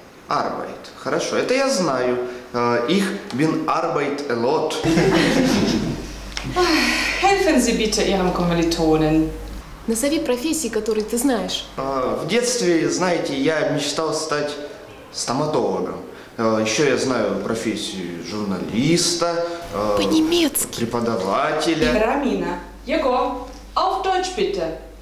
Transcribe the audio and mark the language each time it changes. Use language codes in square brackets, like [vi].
[ru] Arbeit, хорошо, это я знаю. [de] Ich bin arbeit [en] a lot. [de] Helfen Sie bitte Ihrem Kommilitonen. [ru] Назови профессии, которые ты знаешь. В детстве, знаете, я мечтал стать стоматологом. Еще я знаю профессию журналиста, по-немецки. Преподавателя. [de] Рамина, Его, auf Deutsch bitte.